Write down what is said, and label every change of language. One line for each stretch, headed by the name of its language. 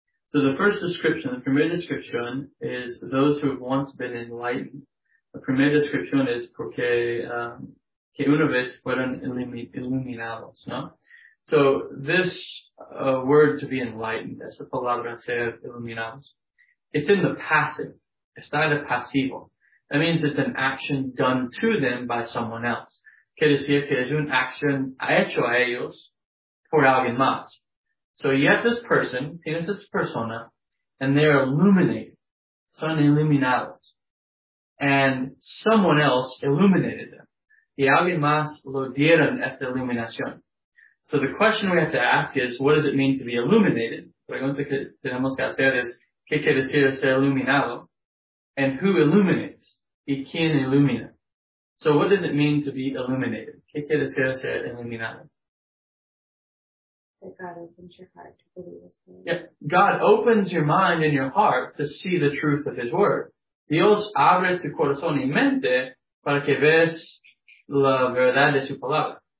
English: So the first description, the
Spanish: primera descripción,
English: is those who have once been enlightened.
Spanish: La primera descripción es porque que una vez fueron iluminados, ¿no?
English: So this word to be enlightened,
Spanish: esa palabra ser iluminados,
English: it's in the passive.
Spanish: Está en el pasivo.
English: That means it's an action done to them by someone else.
Spanish: Quiere decir que es un action hecho a ellos por alguien más.
English: So you have this person, tienes this persona, and they're illuminated.
Spanish: Son iluminados.
English: And someone else illuminated them.
Spanish: Y alguien más lo dieron esta iluminación.
English: So the question we have to ask is, what does it mean to be illuminated?
Spanish: La pregunta que tenemos que hacer es, ¿qué quiere decir ser iluminado?
English: And who illuminates?
Spanish: ¿Y quién ilumina?
English: So what does it mean to be illuminated?
Spanish: ¿Qué quiere decir ser iluminado?
English: That God opens your heart to believe his word. Yeah. God opens your mind and your heart to see the truth of his word.
Spanish: Dios abre tu corazón y mente para que veas la verdad de su palabra.